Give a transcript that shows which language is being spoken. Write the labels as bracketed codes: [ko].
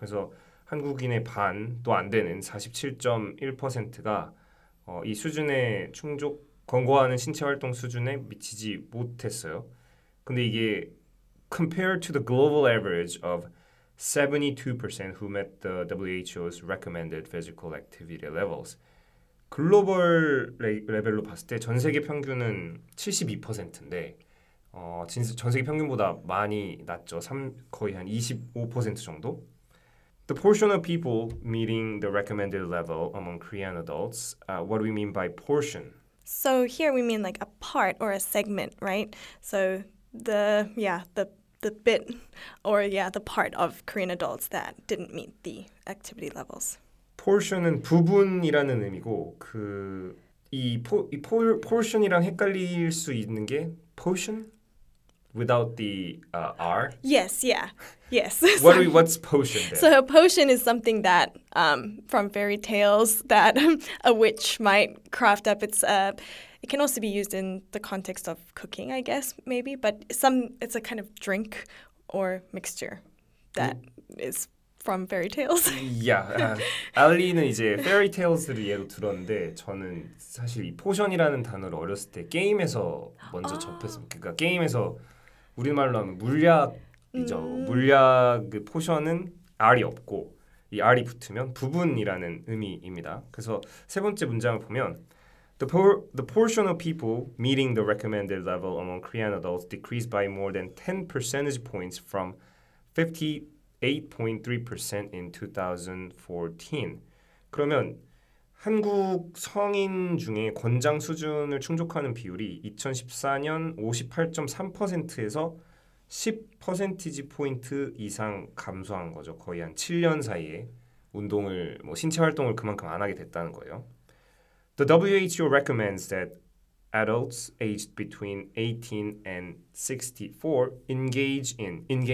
[ko] 그래서 한국인의 반도 안 되는 47.1%가 이 수준에 권고하는 신체 활동 수준에 미치지 못했어요. 근데 이게 [en] compared to the global average of 72% who met the WHO's recommended physical activity levels. [ko] 글로벌 레벨로 봤을 때전 세계 평균은 72%인데, 진짜 전 세계 평균보다 많이 낮죠. 거의 한25% 정도. [en] The portion of people meeting the recommended level among Korean adults. What do we mean by portion? So here we mean like a part or a segment, right? So the bit or the part of Korean adults that didn't meet the activity levels. [ko] portion은 부분이라는 의미고 그이포이 portion이랑 헷갈릴 수 있는 게 [en] potion without the r. What's potion then? So a potion is something that from fairy tales that a witch might craft up. It can also be used in the context of cooking, I guess, maybe, but it's a kind of drink or mixture that is from fairy tales. [ko] 야, 알리는 이제 페리 테일스를 예로 들었는데 저는 사실 이 포션이라는 단어를 어렸을 때 게임에서 먼저 접했습니다. 그러니까 게임에서 우리말로 하면 물약이죠. 물약의 포션은 R이 없고 이 R이 붙으면 부분이라는 의미입니다. 그래서 세 번째 문장을 보면 [en] the portion of people meeting the recommended level among Korean adults decreased by more than 10 percentage points from 50 8.3% in 2014. [ko] 그러면 한국 성인 중에 권장 수준을 충족하는 비율이 2014년 58.3%에서 10% 포인트 이상 감소한 거죠. 거의 한 7년 사이에 운동을 뭐 신체 활동을 그만큼 안 하게 됐다는 거예요. The WHO recommends that adults aged between 18 and 64 engage in